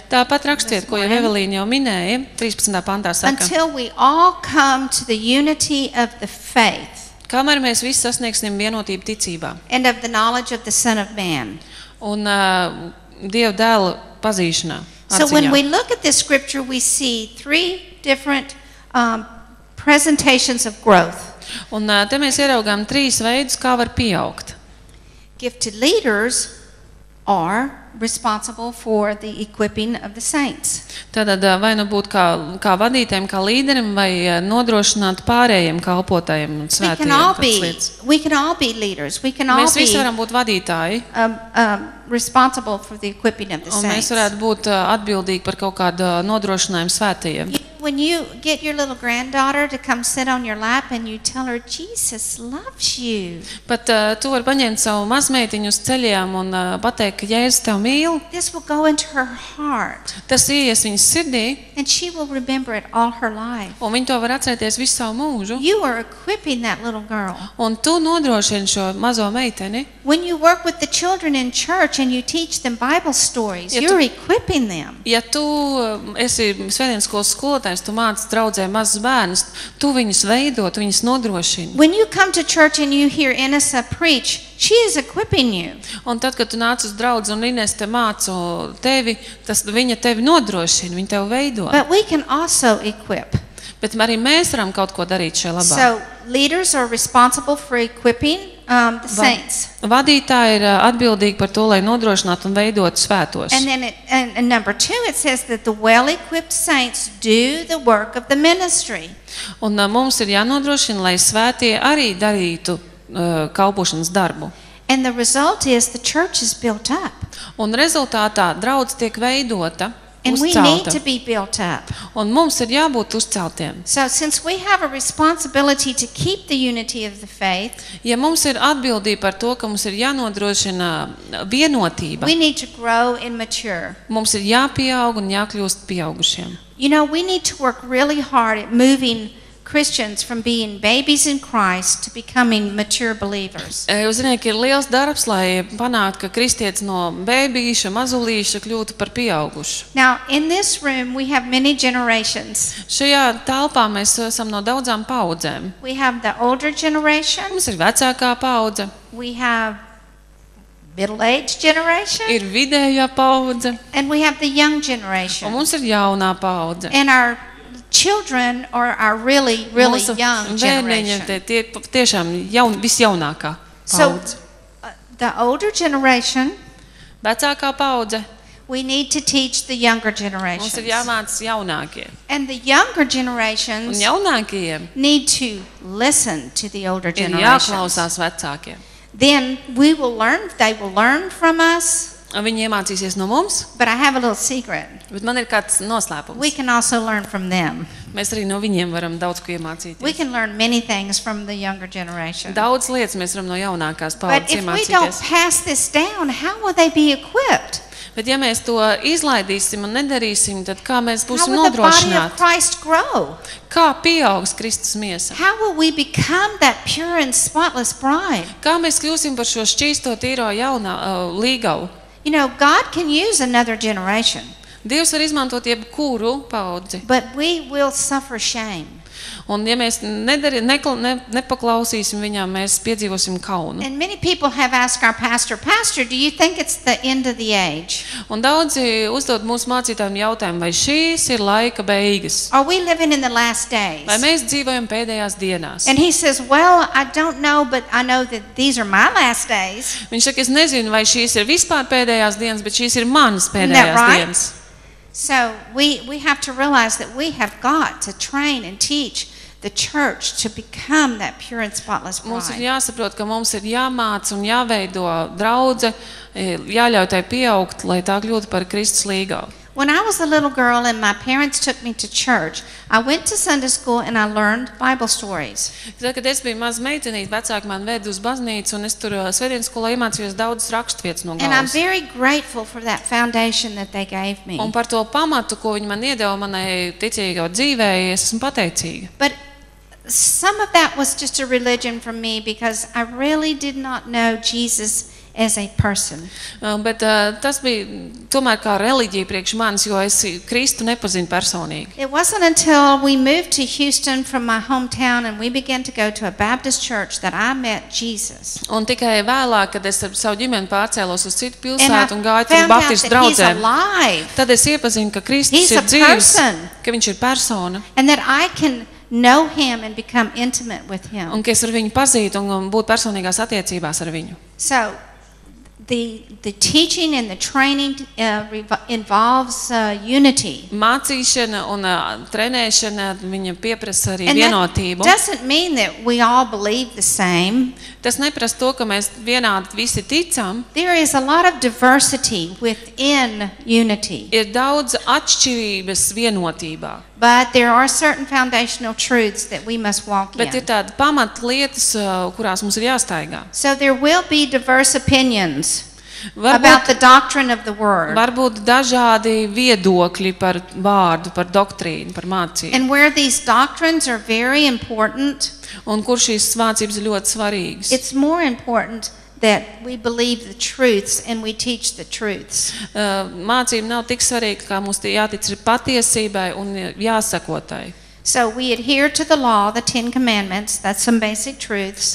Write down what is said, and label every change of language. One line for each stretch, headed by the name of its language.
Latvian: Tāpat rakstiet, ko jau Evelyn jau minēja, 13. Pantā saka.
English: Until we all come to the unity of the faith.
Latvian: Kamēr mēs visi sasniegsim vienotību ticībā.
English: And of the knowledge of the Son of Man.
Latvian: Un Dieva dēla pazīšanā.
English: So when we look at this scripture, we see three different presentations of growth.
Latvian: Un te mēs ieraugām trīs veidus, kā var pieaugt.
English: Gifted leaders are responsible for the equipping of the saints.
Latvian: Tātad vai nu būt kā vadītājiem, kā līderiem vai nodrošināt pārējiem kalpotājiem un svētajiem.
English: We can all be leaders. We can all
Latvian: be. Mēs visi varam būt vadītāji.
English: Responsible for the equipping of the saints.
Latvian: Un mēs varētu būt atbildīgi par kaut kādu nodrošinājumu svētajiem.
English: When you get your little granddaughter to come sit on your lap and you tell her Jesus loves you.
Latvian: Bet tu var paņemt savu mazmeitiņu uz ceļiem un pateikt, ka Jēzus tev mīl.
English: This will go into her heart.
Latvian: Tas ieies viņas sirdī.
English: And she will remember it all her life.
Latvian: Un viņa to var atcerēties visu savu mūžu.
English: You are equipping that little girl.
Latvian: Un tu nodrošini šo mazo meiteni.
English: When you work with the children in church and you teach them Bible stories, you're equipping them.
Latvian: Ja tu esi svētdienas skolā, tu māci draudzē mazus bērnus, tu viņus veido, tu viņus nodrošini.
English: When you come to church and you hear Inessa preach, she is equipping you.
Latvian: Un tad, kad tu nāc uz draudzi un Inessa te mācu tevi, tas viņa tevi nodrošina, viņa tevi veido.
English: But we can also equip.
Latvian: Bet arī mēs varam kaut ko darīt šajā labā.
English: So, leaders are responsible for equipping the saints.
Latvian: Vadītāji ir atbildīgi par to, lai nodrošinātu un veidotu svētos.
English: And then it, and number two, it says that the well-equipped saints do the work of the ministry.
Latvian: Un mums ir jānodrošina, lai svētie arī darītu kalpošanas darbu.
English: And the result is the church is built up.
Latvian: Un rezultātā draudze tiek veidota.
English: And
Latvian: uzcelta.
English: We need to be built up.
Latvian: Un mums ir jābūt uzceltiem.
English: So since we have a responsibility to keep the unity of the faith,
Latvian: ja mums ir atbildība par to, ka mums ir jānodrošina vienotība.
English: We need to grow and mature.
Latvian: Mums ir jāpieaug un jākļūst pieaugušiem.
English: You know, we need to work really hard at moving Christians from being babies in Christ to becoming mature believers.
Latvian: Jūs zināt, ka ir liels darbs, lai panāktu, ka kristietis no bēbīša, mazulīša kļūtu par pieaugušu.
English: Now, in this room we have many generations.
Latvian: Šajā telpā mēs esam no daudzām paudzēm.
English: We have the older generation.
Latvian: Mums ir vecākā paudze.
English: We have middle-aged generation.
Latvian: Ir vidējā paudze.
English: And we have the young generation.
Latvian: Un mums ir jaunā paudze.
English: And our children are really really young generation.
Latvian: Visjaunākā paudze.
English: So the older generation,
Latvian: vecākā paudze.
English: We need to teach the younger generation.
Latvian: Mums ir jāmāc jaunākie.
English: And the younger generations,
Latvian: un jaunākajiem,
English: need to listen to the older generation.
Latvian: Ir jāklausās vecākiem.
English: Then we will learn, they will learn from us.
Latvian: Un viņi iemācīsies no mums.
English: But I have a little secret.
Latvian: Bet man ir kāds noslēpums.
English: We can also learn from them.
Latvian: Mēs arī no viņiem varam daudz ko iemācīties.
English: We can learn many things from the younger generation.
Latvian: Daudz lietas mēs varam no jaunākās paudzes iemācīties.
English: But if we don't pass this down, how will they be equipped?
Latvian: Bet ja mēs to izlaidīsim un nedarīsim, tad kā mēs būsim nodrošināti? Kā pieaugs Kristus miesa?
English: How will we become that pure and spotless bride?
Latvian: Kā mēs kļūsim par šo šķīsto, tīro jaunā līgavu?
English: You know, God can use another generation.
Latvian: Dievs var izmantot jebkuru paudzi.
English: But we will suffer shame.
Latvian: Un ja mēs nepaklausīsim viņam, mēs piedzīvosim kaunu.
English: And many people have asked our pastor, "Pastor, do you think it's the end of the age?"
Latvian: Un daudzi uzdod mūsu mācītājiem jautājumu, vai šīs ir laika beigas?
English: Are we living in the last days?
Latvian: Vai mēs dzīvojam pēdējās dienās?
English: And he says, "Well, I don't know, but I know that these are my last days."
Latvian: Viņš saka, "Es nezinu, vai šīs ir vispār pēdējās dienas, bet šīs ir manas pēdējās dienas."
English: So we have to realize that we have got to train and teach the church to become that pure and spotless bride.
Latvian: Mums ir jāsaprot, ka mums ir jāmāc un jāveido draudze, jāļauj tai pieaugt, lai tā kļūtu par Kristus līgavu.
English: When I was a little girl and my parents took me to church, I went to Sunday school and I learned Bible stories.
Latvian: Kad es biju maza meitenīte, vecāki man veda uz baznīcu un es tur svētdienas skolā iemācījos daudzas rakstvietas no Gāles.
English: And I'm very grateful for that foundation that they gave me.
Latvian: Un par to pamatu, ko viņi man iedeva manai ticīgo dzīvei, es esmu pateicīga.
English: But some of that was just a religion for me because I really did not know Jesus as a person.
Latvian: Bet tas bija tomēr kā reliģija priekš manis, jo es Kristu nepazinu personīgi.
English: It wasn't until we moved to Houston from my hometown and we began to go to a Baptist church that I met Jesus.
Latvian: Un tikai vēlāk, kad es ar savu ģimeni pārcēlos uz citu pilsētu un gāju tur Baptistu draudzē, tad es iepazinu, ka Kristus ir dzīvs, ka viņš ir persona.
English: And that I can know him and become intimate with him.
Latvian: Un ka es ar viņu pazītu un būtu personīgās attiecībās ar viņu.
English: So the teaching and the training involves unity.
Latvian: Mācīšana un trenēšana viņam pieprasa arī
English: and
Latvian: vienotību.
English: Doesn't mean that we all believe the same.
Latvian: Tas neprasa to, ka mēs vienādi visi ticam.
English: There is a lot of diversity within unity.
Latvian: Ir daudz atšķirības vienotībā.
English: But there are certain foundational truths that we must walk
Latvian: bet
English: in.
Latvian: Bet ir tādas pamatlietas, kurās mums ir jāstaigā.
English: So there will be diverse opinions about the doctrine of the word.
Latvian: Varbūt dažādi viedokļi par vārdu, par doktrīnu, par mācību.
English: And where these doctrines are very important.
Latvian: Un kur šīs svācības ir ļoti svarīgas.
English: It's more important that we believe the truths and we teach the truths.
Latvian: Mācība nav tik svarīga, kā mums jātic ir patiesībai un jāsako tai.
English: So we adhere to the law, the Ten Commandments, that's some basic truths.